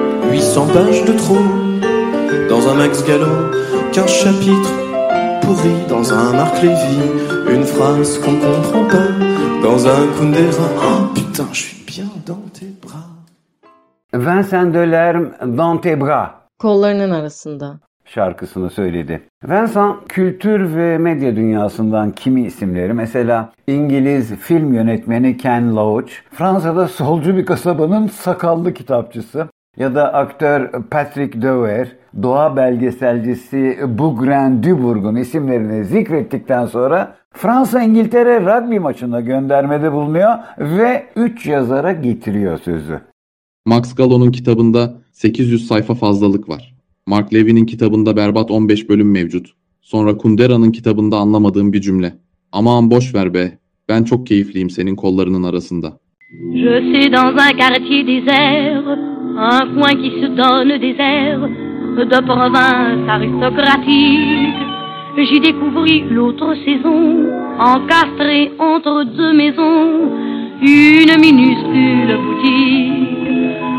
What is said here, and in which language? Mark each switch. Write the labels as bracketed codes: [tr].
[fr] 800 pages de trop dans un Max Gallo. Qu'un chapitre pourri dans un Marc Lévy. Une phrase qu'on comprend pas dans un Kundera. Oh putain, je suis bien dans tes bras. Vincent Delerm, dans tes bras. [tr] Kollarının arasında. Şarkısını söyledi. Vincent, kültür ve medya dünyasından kimi isimleri? Mesela İngiliz film yönetmeni Ken Loach, Fransa'da solcu bir kasabanın sakallı kitapçısı. Ya da aktör Patrick Dewar, doğa belgeselcisi Bougrain Dubourg'un isimlerini zikrettikten sonra Fransa-İngiltere rugby maçına göndermede bulunuyor ve 3 yazara getiriyor sözü. Max Gallo'nun kitabında 800 sayfa fazlalık var. Mark Levy'nin kitabında berbat 15 bölüm mevcut. Sonra Kundera'nın kitabında anlamadığım bir cümle. Aman boş ver be, ben çok keyifliyim senin kollarının arasında. [fr] Je suis dans un quartier désert. Un coin qui se donne des airs de province aristocratique. J'y découvris l'autre saison, encastré entre deux maisons, une minuscule boutique.